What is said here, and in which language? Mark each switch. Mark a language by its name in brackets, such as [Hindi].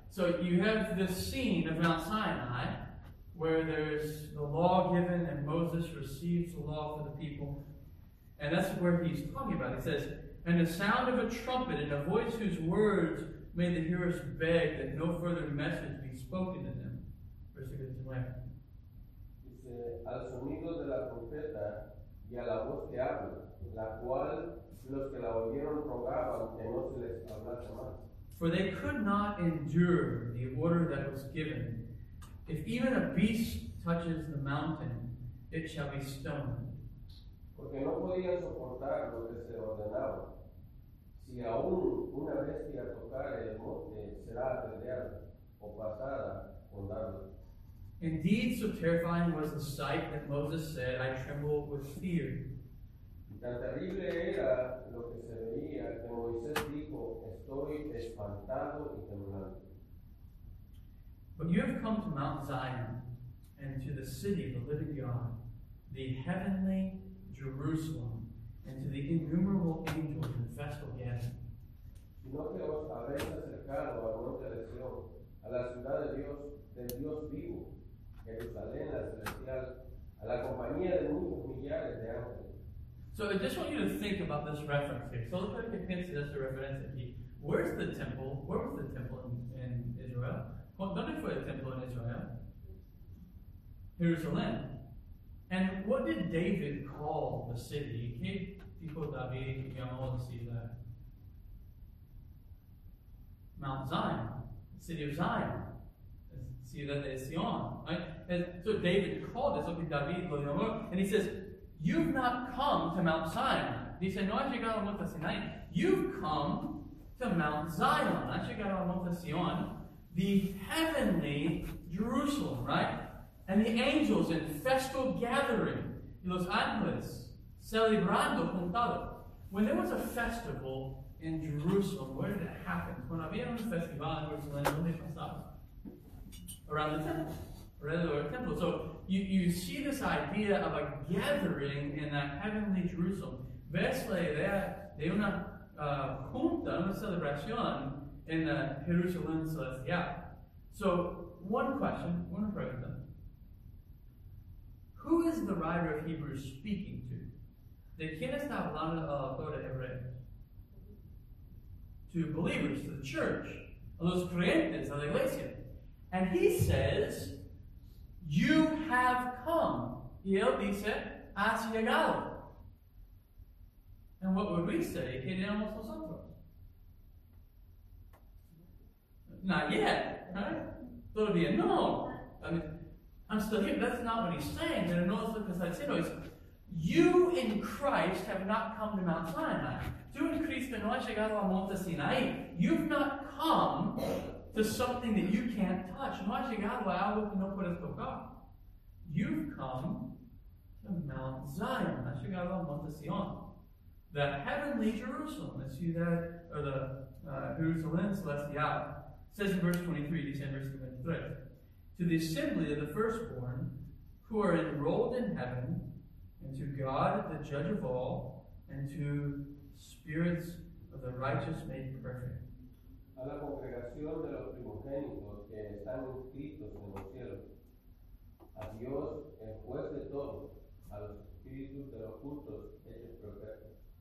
[English] So you have this scene of Mount Sinai, where there's the law given and Moses receives the law for the people, and that's where he's talking about. He says, "And the sound of a trumpet and a voice whose words made the hearers beg that no further message be spoken to them." Verse 11. [Spanish] Dice, al sonido de la trompeta y a la voz que habla, la cual los que la oyeron rogaban que no se les hablase más. [English] For they could not endure the order that was given. If even a beast touches the mountain, it shall be stoned. [Spanish] Porque no podían soportar lo que se ordenaba. Si aún una bestia tocare el monte, será apedreada o pasada con dardo. [English] Indeed, so terrifying was the sight that Moses said, I tremble with fear. [Spanish] Tan terrible era lo que se veía que Moisés dijo, estoy espantado y temblando. [English] But you have come to Mount Zion and to the city of the living God, the heavenly Jerusalem, and to the innumerable angels in festal gathering. [Spanish] Sino que os habéis acercado al monte de Sion, a la ciudad de Dios, del Dios vivo, Jerusalén la celestial, a la compañía de muchos millares de ángeles. [English] So I just want you to think about this reference here. So look at the pensi, that's the reference here. Where's the temple? Where was the temple in Israel? [Spanish] ¿Dónde fue el templo en Israel? Jerusalem. [English] And what did David call the city? [Spanish] ¿Qué dijo David que llamó la ciudad? [English] Mount Zion, the city of Zion, [Spanish] la ciudad de Sion. [English] Right? So David called it, something [Spanish] David lo llamó, [English] and he says, you've not come to Mount Zion. [Spanish] Dice, no has llegado a Monte Sinai. [English] You've come to Mount Zion. [Spanish] Has llegado a Monte Sion. [English] The heavenly Jerusalem, right? And the angels in festal gathering. [Spanish] Los ángeles celebrando juntado. [English] When there was a festival in Jerusalem, where did it happen? [Spanish] Cuando había un festival en Jerusalén, ¿dónde pasaba? [English] Around the temple. [Spanish] Alrededor del temple. [English] So, you see this idea of a gathering in that heavenly Jerusalem. [Spanish] Ves la idea de una junta, una celebración en la Jerusalén celestial. [English] So, one pregunta. Who is the writer of Hebrews speaking to? [Spanish] ¿De quién está hablando el autor de Hebreos? [English] To believers, to the church, [Spanish] a los creyentes, a la iglesia. [English] And he says, you have come. [Spanish] Y él dice, has llegado. [English] And what would we say? [Spanish] ¿Qué tenemos nosotros? [English] Not yet, right? [Spanish] Todavía no. [English] I'm still here, but that's not what he's saying. [Spanish] Pero no es lo que está diciendo. [English] You in Christ have not come to Mount Sinai. [Spanish] Tú en Cristo no has llegado a Monte Sinai. [English] You've not come to something that you can't touch. [Spanish] No has llegado a algo que no puedes tocar. [English] You've come to Mount Zion, [Spanish] has llegado a Monte Sion, [English] the heavenly Jerusalem, the ciudad, or the Jerusalem celestial. It says in verse 23, December 23, to the assembly of the firstborn who are enrolled in heaven, and to God, the judge of all, and to spirits of the righteous made perfect. [Spanish] A la congregación de los primogénitos que están inscritos en los cielos. A Dios, el juez de todos, a los espíritus de los justos, hechos perfectos.